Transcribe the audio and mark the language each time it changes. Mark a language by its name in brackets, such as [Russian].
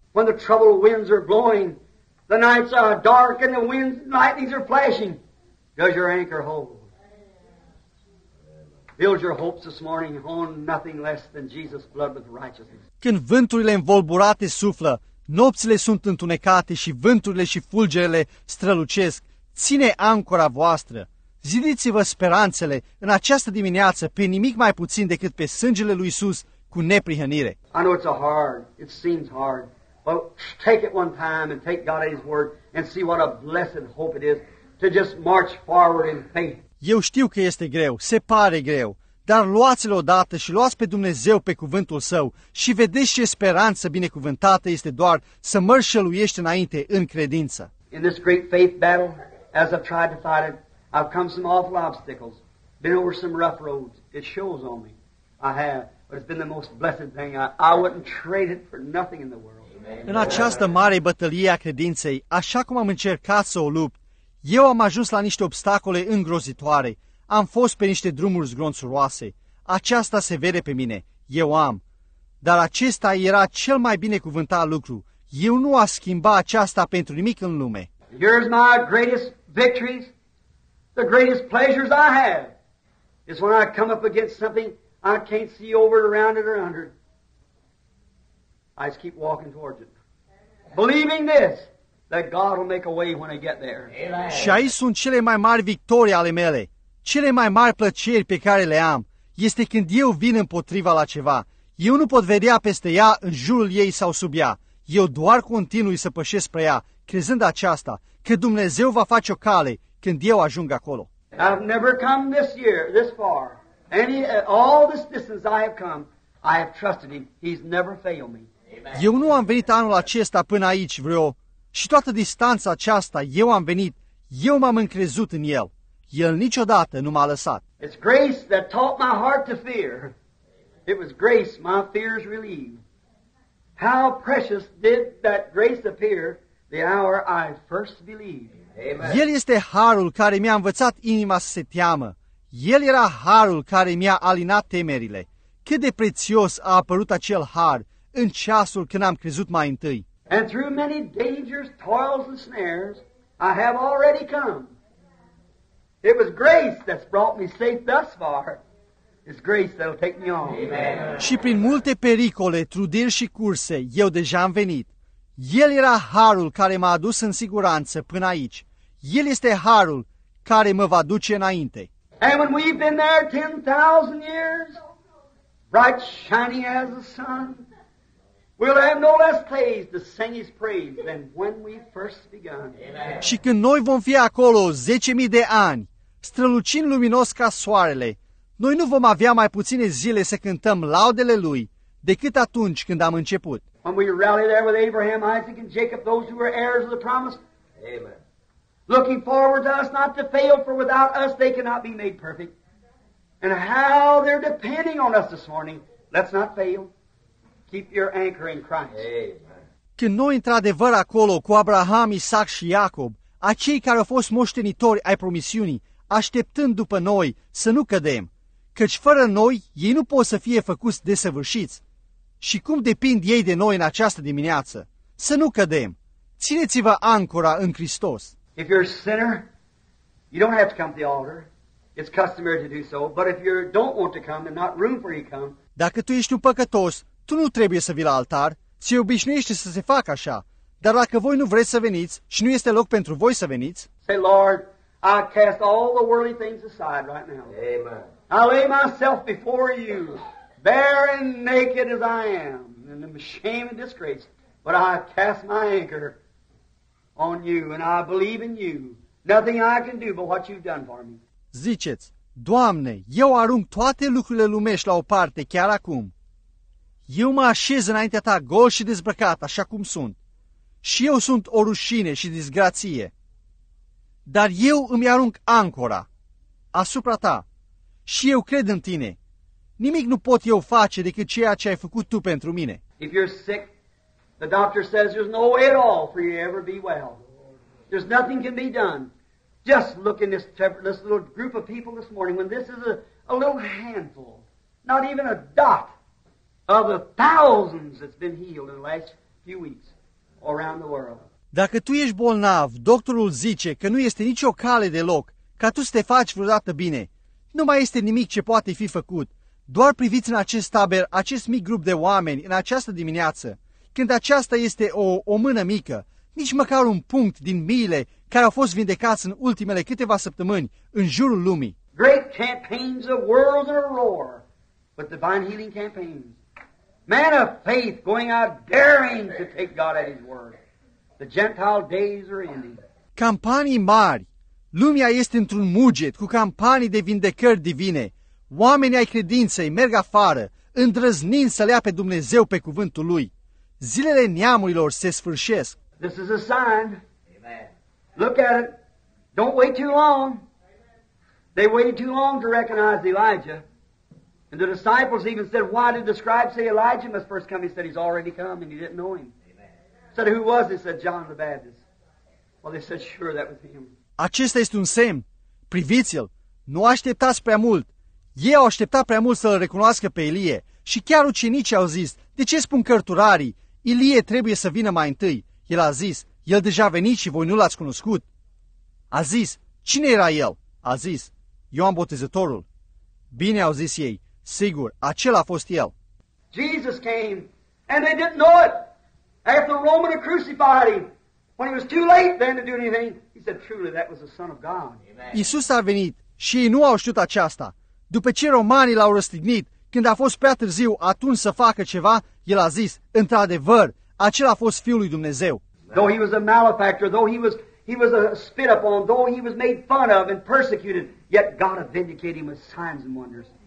[English] When the troubled winds are blowing, the nights are dark and the winds and lightnings are flashing, does your anchor hold? Build your hopes this morning on nothing less than Jesus' blood with righteousness. [Romanian] Când vânturile învolburate suflă, nopțile sunt întunecate și vânturile și fulgerele strălucesc, ține ancora voastră. Zidiți-vă speranțele în această dimineață pe nimic mai puțin decât pe sângele lui Iisus cu neprihănire. [English] I know it's a hard, it seems hard. Well, take it one time and take God at His word and see what a blessed hope it is to just march forward in faith. [Romanian] Eu știu că este greu, se pare greu, dar luați-l odată și luați pe Dumnezeu pe cuvântul Său și vedeți ce speranță binecuvântată este doar să mărșăluiești înainte în credință. [English] In this great faith battle, as I've tried to fight it, I've come some awful obstacles. Been over some rough roads. It shows on me. I have. But it's been the most blessed thing. I wouldn't trade it for nothing in the world. [Romanian] În această mare bătălie a credinței, așa cum am încercat să o lupt, eu am ajuns la niște obstacole îngrozitoare. Am fost pe niște drumuri zgronțuroase. Aceasta se vede pe mine. Eu am. Dar acesta era cel mai binecuvântat lucru. Eu nu aș schimba aceasta pentru nimic în lume. [English] Here's my greatest victories, the greatest pleasures I have. It's when I come up against something I can't see over it, around it, or under it. I just keep walking towards it. Believing this, that God will make a way when I get there. [Romanian] Și aici sunt cele mai mari victorii ale mele. Cele mai mari plăceri pe care le am este când eu vin împotriva la ceva. Eu nu pot vedea peste ea, în jurul ei sau sub ea. Eu doar continui să pășesc spre ea, crezând aceasta, că Dumnezeu va face o cale când eu ajung acolo. [English] I've never come this year, this far. All this distance I have come, I have trusted him. He's never failed me. [Romanian] Eu nu am venit anul acesta până aici vreo, și toată distanța aceasta eu am venit, eu m-am încrezut în el. El niciodată nu m-a lăsat. [English] It's grace that taught my heart to fear. It was grace my fears relieved. How precious did that grace appear the hour I first believed. Amen. [Romanian] El este harul care mi-a învățat inima să se teamă. El era harul care mi-a alinat temerile. Cât de prețios a apărut acel har în ceasul când am crezut mai întâi. [English] And through many dangers, toils and snares, I have already come. It was grace that's brought me safe thus far. It's grace that'll take me on. [Romanian] Și prin multe pericole, trudiri și curse, eu deja am venit. El era harul care m-a adus în siguranță până aici. El este harul care mă va duce înainte. [English] And when we've been there 10,000 years, bright shining as the sun, we'll have no less praise to sing his praise than when we first began. Amen. [Romanian] Și când noi vom fi acolo 10,000 de ani, strălucind luminos ca soarele, noi nu vom avea mai puține zile să cântăm laudele lui decât atunci când am început. [English] When we rallied there with Abraham, Isaac and Jacob, those who were heirs of the promise. Amen. Looking forward to us not to fail, for without us they cannot be made perfect. And how they're depending on us this morning. Let's not fail. Keep your anchor in Christ. Amen. [Romanian] Când noi într-adevăr acolo cu Abraham, Isaac și Iacob, acei care au fost moștenitori ai promisiunii, așteptând după noi să nu cădem, căci fără noi ei nu pot să fie făcuți desăvârșiți. Și cum depind ei de noi în această dimineață? Să nu cădem. Țineți-vă ancora în Hristos. [English] If you're a sinner, you don't have to come to the altar. It's customary to do so. But if you don't want to come, and not room for you to come. [Romanian] Dacă tu ești un păcătos, tu nu trebuie să vii la altar. Ți obișnuiește să se facă așa. Dar dacă voi nu vreți să veniți și nu este loc pentru voi să veniți, [English] say, Lord, I cast all the worldly things aside right now. Amen. I lay myself before you, bare and naked as I am, and in shame and disgrace. But I cast my anchor on you, and I believe in you. Nothing I can do but what you've done for me. [Romanian] Ziceți, Doamne, eu arunc toate lucrurile lumești la o parte chiar acum. Eu mă așez înaintea ta gol și dezbrăcat, așa cum sunt. Și eu sunt o rușine și disgrație. Dar eu îmi arunc ancora asupra ta și eu cred în tine. Nimic nu pot eu face decât ceea ce ai făcut tu pentru mine. [English] If you're sick, the doctor says there's no way at all for you to ever be well. There's nothing can be done. Just look in this little group of people this morning, when this is a little handful, not even a dot of the thousands that's been healed in the last few weeks around the world. [Romanian] Dacă tu ești bolnav, doctorul zice că nu este nicio cale deloc ca tu să te faci vreodată bine. Nu mai este nimic ce poate fi făcut. Doar priviți în acest taber, acest mic grup de oameni, în această dimineață. Când aceasta este o mână mică, nici măcar un punct din miile care au fost vindecați în ultimele câteva săptămâni în jurul lumii. [English] Great campaigns of world and a roar, but divine healing campaigns. Man of faith going out daring to take God at his word. The Gentile days are ending. [Romanian] Campanii mari. Lumea este într-un muget cu campanii de vindecări divine. Oamenii ai credinței merg afară, îndrăznind să lea pe Dumnezeu pe cuvântul lui. Zilele neamurilor se sfârșesc. [English] This is a sign. Amen. Look at it. Don't wait too long. They waited too long to recognize Elijah. And the disciples even said, why did the scribe say Elijah must first come? He said, he's already come, and he didn't know him. Amen. Said, who was it? Said, John the Baptist. Well, they said, sure, that was him. [Romanian] Acesta este un semn. Priviți-l. Nu așteptați prea mult. Ei au așteptat prea mult să-l recunoască pe Elie. Și chiar ucenicii au zis, de ce spun cărturarii? Elie trebuie să vină mai întâi. El a zis, el deja a venit și voi nu l-ați cunoscut. A zis, cine era el? A zis, Ioan Botezătorul. Bine, au zis ei, sigur, acela a fost el. [English] Jesus came and they didn't know it. After the Roman had crucified him, when it was too late then to do anything, he said, truly, that was the Son of God. [Romanian] Iisus a venit și ei nu au știut aceasta. După ce romanii l-au răstignit, când a fost prea târziu atunci să facă ceva, el a zis, într-adevăr, acela a fost Fiul lui Dumnezeu. [English] Though he was a malefactor, though he was a spit upon, though he was made fun of and persecuted, yet God had vindicated him with signs and wonders.